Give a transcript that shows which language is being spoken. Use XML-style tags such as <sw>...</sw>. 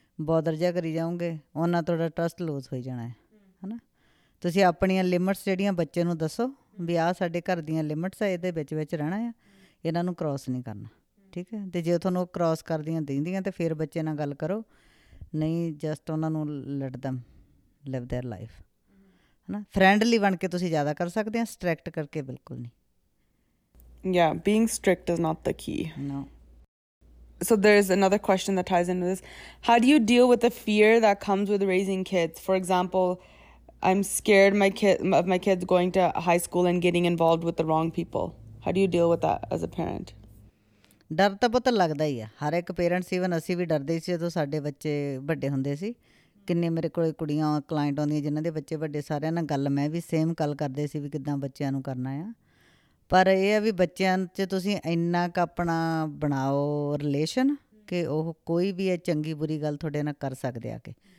<pa>Bother ਜਿਹਾ ਕਰੀ ਜਾਓਗੇ ਉਹਨਾਂ ਤੁਹਾਡਾ ਟਰਸਟ ਲੂਜ਼ ਹੋਈ ਜਾਣਾ ਹੈ ਨਾ ਤੁਸੀਂ ਆਪਣੀਆਂ ਲਿਮਿਟਸ ਜਿਹੜੀਆਂ ਬੱਚੇ ਨੂੰ ਦੱਸੋ ਵੀ ਆਹ ਸਾਡੇ ਘਰ ਦੀਆਂ ਲਿਮਿਟਸ ਆ ਇਹਦੇ ਵਿੱਚ ਰਹਿਣਾ ਆ ਇਹਨਾਂ ਨੂੰ ਕ੍ਰੋਸ ਨਹੀਂ ਕਰਨਾ ਠੀਕ ਹੈ ਅਤੇ ਜੇ ਤੁਹਾਨੂੰ ਉਹ ਕ੍ਰੋਸ ਕਰਦੀਆਂ ਦਿੰਦੀਆਂ ਤਾਂ ਫਿਰ ਬੱਚੇ ਨਾਲ ਗੱਲ ਕਰੋ ਨਹੀਂ ਜਸਟ ਉਹਨਾਂ ਨੂੰ</pa> <en>let them live their life</en> <pa>ਹੈ ਨਾ ਫਰੈਂਡਲੀ ਬਣ ਕੇ ਤੁਸੀਂ ਜ਼ਿਆਦਾ ਕਰ ਸਕਦੇ ਹਾਂ ਸਟ੍ਰਿਕਟ ਕਰਕੇ ਬਿਲਕੁਲ ਨਹੀਂ</pa> <en>ਯਾ being strict is not the key no So there's another question that ties into this. How do you deal with the fear that comes with raising kids? For example, I'm scared of my kids going to high school and getting involved with the wrong people. How do you deal with that as a parent?</en> <pa>ਡਰ ਤਾਂ ਪੁੱਤ ਲੱਗਦਾ ਹੀ ਆ ਹਰ ਇੱਕ parents even ਅਸੀਂ ਵੀ ਡਰਦੇ ਸੀ ਜਦੋਂ ਸਾਡੇ ਬੱਚੇ ਵੱਡੇ ਹੁੰਦੇ ਸੀ ਕਿੰਨੇ ਮੇਰੇ ਕੋਲ ਕੁੜੀਆਂ ਕਲਾਇੰਟ ਆਉਂਦੀਆਂ ਜਿਨ੍ਹਾਂ ਦੇ ਬੱਚੇ ਵੱਡੇ ਸਾਰਿਆਂ ਨਾਲ ਗੱਲ ਮੈਂ ਵੀ ਸੇਮ ਗੱਲ ਕਰਦੇ ਸੀ ਵੀ ਕਿੱਦਾਂ ਬੱਚਿਆਂ ਨੂੰ ਕਰਨਾ ਆ ਪਰ ਇਹ ਆ ਵੀ ਬੱਚਿਆਂ 'ਚ ਤੁਸੀਂ ਇੰਨਾ ਕੁ ਆਪਣਾ ਬਣਾਓ ਰਿਲੇਸ਼ਨ ਕਿ ਉਹ ਕੋਈ ਵੀ ਇਹ ਚੰਗੀ ਬੁਰੀ ਗੱਲ ਤੁਹਾਡੇ ਨਾਲ ਕਰ ਸਕਦੇ ਆ ਕੇ</pa>